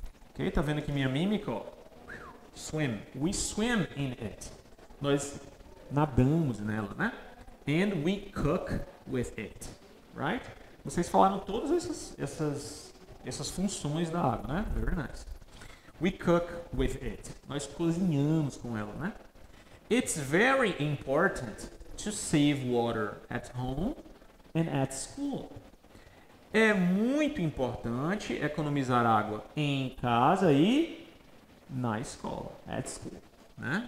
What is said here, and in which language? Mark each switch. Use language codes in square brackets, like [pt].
[pt] Ok, tá vendo aqui minha mímica? [en] Swim. We swim in it. [pt] Nós nadamos nela, né? [en] And we cook with it. Right? [pt] Vocês falaram todas essas funções da água, né? [en] Very nice. We cook with it. [pt] Nós cozinhamos com ela, né? [en] It's very important to save water at home and at school. [pt] É muito importante economizar água em casa e na escola, [en] at school, [pt] né?